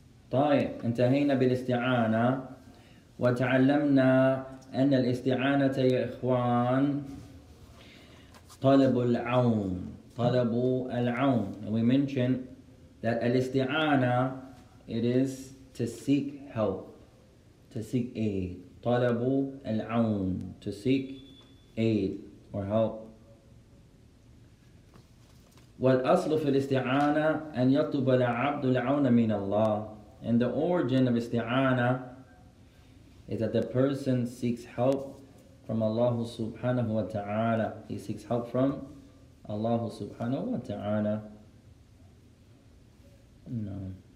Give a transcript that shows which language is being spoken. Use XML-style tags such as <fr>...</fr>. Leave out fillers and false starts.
<ar>طيب انتهينا بالاستعانة وتعلمنا أن الاستعانة يا إخوان طلب العون طلب العون.</ar> <en>And we mentioned that الاستعانة it is to seek help, to seek aid.</en> <ar>طلب العون,</ar> <en>to seek aid or help.</en> <ar>والأصل في الاستعانة أن يطلب العبد العون من الله.</ar> <en>And the origin of isti'ana is that the person seeks help from Allah subhanahu wa ta'ala. He seeks help from Allah subhanahu wa ta'ala. No.</en>